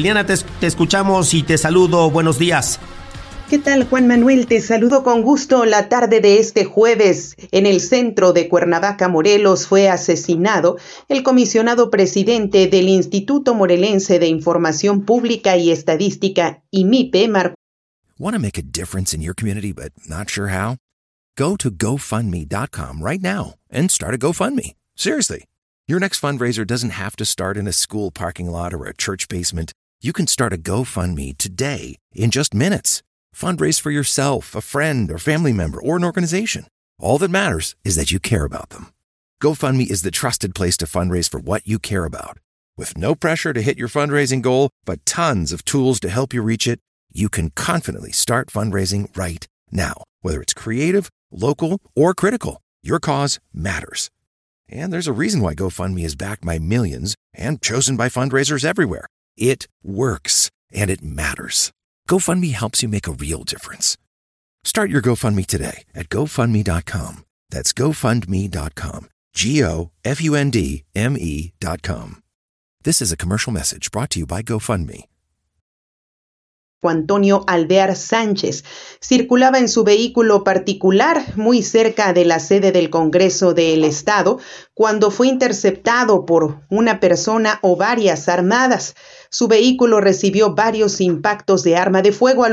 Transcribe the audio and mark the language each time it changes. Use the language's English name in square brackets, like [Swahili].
[Spanish] Liliana, te escuchamos y te saludo. Buenos días. ¿Qué tal, Juan Manuel? Te saludo con gusto. La tarde de este jueves, en el centro de Cuernavaca, Morelos, fue asesinado el comisionado presidente del Instituto Morelense de Información Pública y Estadística, IMIPE, Marco. [English] Want to make a difference in your community but not sure how? Go to GoFundMe.com right now and start a GoFundMe. Seriously, your next fundraiser doesn't have to start in a school parking lot or a church basement. You can start a GoFundMe today in just minutes. Fundraise for yourself, a friend, or family member, or an organization. All that matters is that you care about them. GoFundMe is the trusted place to fundraise for what you care about. With no pressure to hit your fundraising goal, but tons of tools to help you reach it, you can confidently start fundraising right now. Whether it's creative, local, or critical, your cause matters. And there's a reason why GoFundMe is backed by millions and chosen by fundraisers everywhere. It works, and it matters. GoFundMe helps you make a real difference. Start your GoFundMe today at GoFundMe.com. That's GoFundMe.com. GoFundMe.com. This is a commercial message brought to you by GoFundMe. [Spanish] Antonio Alvear Sánchez circulaba en su vehículo particular muy cerca de la sede del Congreso del Estado cuando fue interceptado por una persona o varias armadas. Su vehículo recibió varios impactos de arma de fuego.